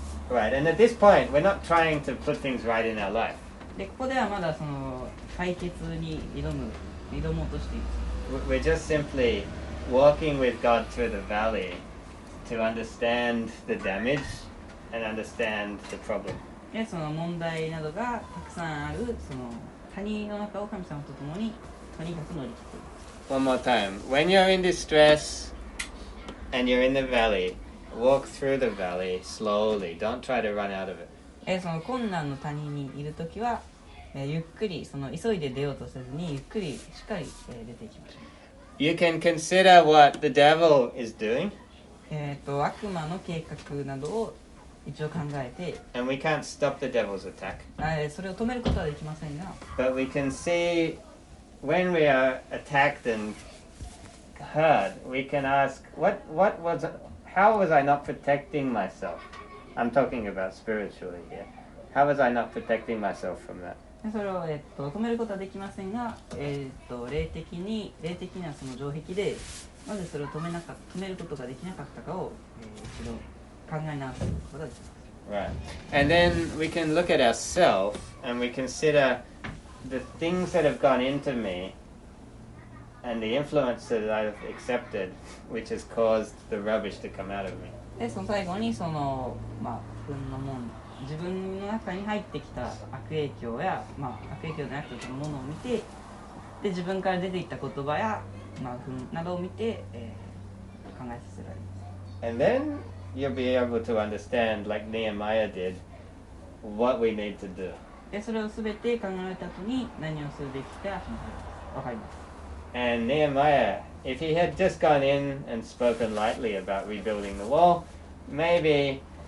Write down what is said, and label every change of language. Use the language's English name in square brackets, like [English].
[English] Right, and at this point, we're not trying to put things right in our life. We're just simply walking with God through the valley to understand the damage and understand the problem. [Japanese] Yeah, その問題などがたくさんあるその谷の中を神様と共にとにかく乗り切っています。 [English] One more time. When you're in distress and you're in the valley, walk through the valley slowly. Don't try to run out of it. [Japanese] その困難の谷にいるときはゆっくり、その急いで出ようとせずに、ゆっくり、しっかり、出ていきましょう。 [English] You can consider what the devil is doing. [Japanese] 悪魔の計画などを一応考えて、 [English] And we can't stop the devil's attack. [Japanese] それを止めることはできませんが、 [English] But we can see when we are attacked and hurt, we can ask, how was I not protecting myself? I'm talking about spiritually here. How was I not protecting myself from that? [Japanese] それを、止めることはできませんが、霊的なその城壁で、なぜそれを止めることができなかったかを、一度考え直すことができます。 [English] Right. And then we can look at ourselves and we consider the things that have gone into me and the influence that I've accepted, which has caused the rubbish to come out of me. [Japanese] で、その最後にその、まあ、不運のもん。自分の中に入ってきた悪影響や、まあ、悪影響のなくてそのものを見て、で自分から出ていった言葉や、まあ、などを見て、考えさせられます。 [English] And then you'll be able to understand, like Nehemiah did, what we need to do. [Japanese] でそれを全て考えた後に何をするべきか分かります。 [English] And Nehemiah, if he had just gone in and spoken lightly about rebuilding the wall, maybe.